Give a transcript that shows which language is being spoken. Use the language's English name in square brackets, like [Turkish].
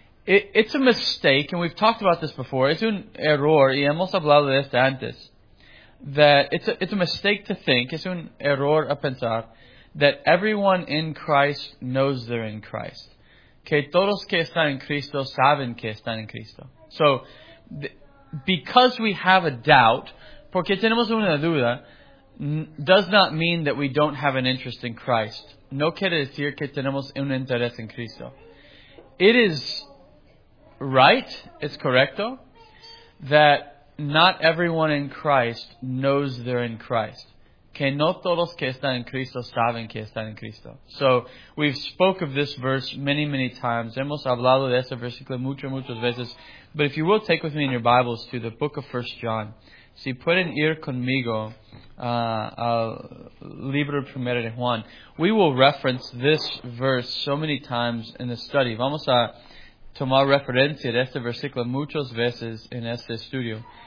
[English] It's a mistake, and we've talked about this before. [Spanish] Es un error, y hemos hablado de esto antes. [English] That it's a mistake to think, [Spanish] es un error a pensar, [English] that everyone in Christ knows they're in Christ. [Spanish] Que todos que están en Cristo saben que están en Cristo. [English] So, because we have a doubt, [Spanish] porque tenemos una duda, [English] does not mean that we don't have an interest in Christ. [Spanish] No quiere decir que tenemos un interés en Cristo. [English] It is right, it's correcto, that not everyone in Christ knows they're in Christ. [Spanish] Que no todos que están en Cristo saben que están en Cristo. [English] So, we've spoke of this verse many, many times. [Spanish] Hemos hablado de ese versículo muchas, muchas veces. [English] But if you will take with me in your Bibles to the book of 1 John. [Spanish] Si pueden ir conmigo al libro primero de Juan. [English] We will reference this verse so many times in the study. [Spanish] Vamos a tomar referencia de este versículo muchas veces en este estudio.